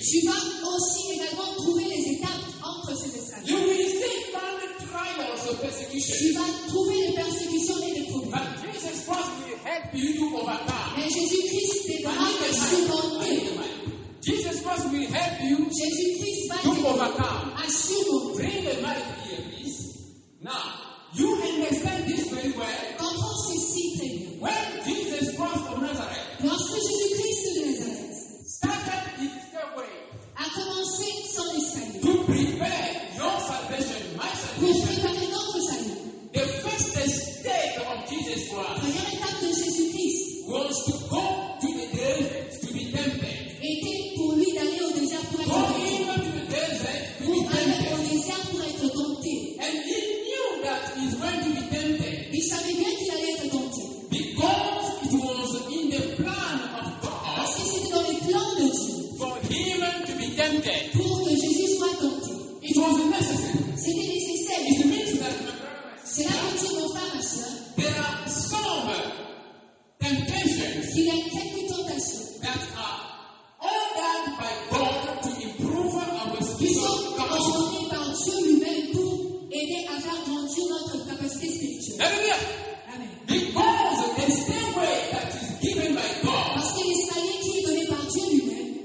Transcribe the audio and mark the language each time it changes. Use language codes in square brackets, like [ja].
[fr] Tu vas aussi également trouver les étapes entre ces escaliers. [en] You will still find the trials of persecution. [fr] Tu vas trouver les persécutions et les problèmes. [en] But Jesus Christ will help you to overcome. [fr] Mais Jésus Christ t'aidera à surmonter. [en] Jesus Christ will help you [fr] Jésus Christ va [en] to overcome. [fr] À surmonter. [en] Bring the mic here, please. Now, you understand this very well. [fr] Comprends ceci très bien. [en] When Jesus Christ of Nazareth, [fr] lorsque Jésus Christ de Nazareth, [en] started his stairway, [fr] a commencé son escalier, [en] to prepare your salvation, my salvation, [fr] pour préparer notre salut, [en] the first step of Jesus Christ, [fr] première étape de Jésus Christ, [en] was to go to the desert to be tempted. [fr] Était pour lui d'aller au désert pour être tenté. [en] Go to the desert to [fr] pour [en] be tempted. [fr] Aller au désert pour être tenté. [en] And he knew that he was going to be tempted. [fr] Il savait bien qu'il allait être tenté. [en] Because it was in the plan of God. [fr] Parce que c'était dans les plans de Dieu. [en] For him to be tempted. [fr] Pour que Jésus soit tenté. [en] It was necessary. [fr] C'était nécessaire. [en] It means that. [fr] C'est là que tu m'en fais ma soeur. [en] There are some temptations. [fr] Il y a quelques tentations. [en] That are ordered by God to improve our spiritual capacity. [fr] Par pour aider à faire grandir notre capacité spirituelle. Amen. Amen. [en] Because the stairway that is given by God, [fr] parce que l'escalier qui est donné par Dieu lui-même,